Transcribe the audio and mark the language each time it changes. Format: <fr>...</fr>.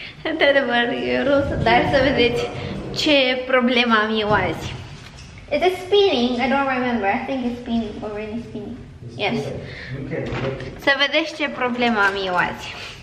<ro>Într-adevăr, e rost, dar să vedeți ce problema am eu azi.</ro> <en>Is it spinning? I don't remember. I think it's spinning, already spinning. Yes. Okay.</en> <ro>Să vedeți ce problema am eu azi.</ro>